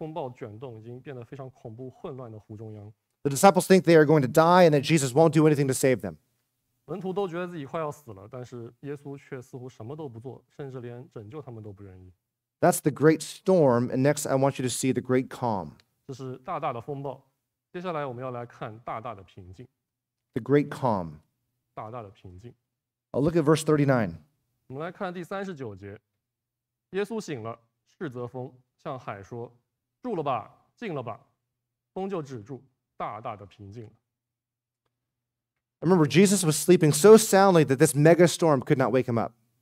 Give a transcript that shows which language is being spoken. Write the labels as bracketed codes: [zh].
[zh] 所以现在他们在这个湖中央，这个被风暴卷动，已经变得非常恐怖、混乱的湖中央。 [en] The disciples think they are going to die and that Jesus won't do anything to save them. [zh] 门徒都觉得自己快要死了，但是耶稣却似乎什么都不做，甚至连拯救他们都不愿意。 [en] That's the great storm, and next I want you to see the great calm. [zh] 这是大大的风暴，接下来我们要来看大大的平静。 [en] The great calm. [zh] 大大的平静。 [en] Look at verse 39. [zh] 我们来看第39节。耶稣醒了，斥责风，向海说：“住了吧，静了吧。”风就止住，大大的平静了。 [en] I remember Jesus was sleeping so soundly that this mega storm could not wake him up.